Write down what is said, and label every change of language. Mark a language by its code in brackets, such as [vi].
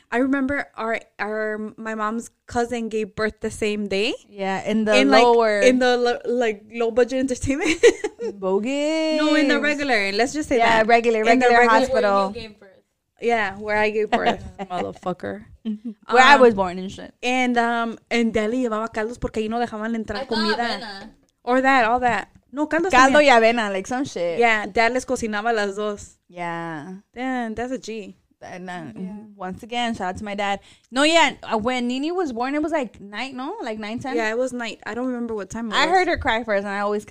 [en] I remember our my mom's cousin gave birth the same day. Yeah, in the low budget entertainment. Bogus. No, in the regular, let's just say. Yeah, that. Yeah, regular hospital. Yeah, where I gave birth, motherfucker. Where I was born and shit. And in Delhi, [es] llevaba caldos porque ahí no dejaban entrar comida. [en] Or that, all that. [es] No, caldos. Caldo y avena, [en] like some shit. Yeah, dad [es] les cocinaba las dos. [en] Yeah. Damn, that's a G. Yeah. Once again, shout out to my dad. No, yeah, when Nini was born, it was like night, no? Like 9, 10? Yeah, it was night. I don't remember what time it was. I heard her cry first, and I always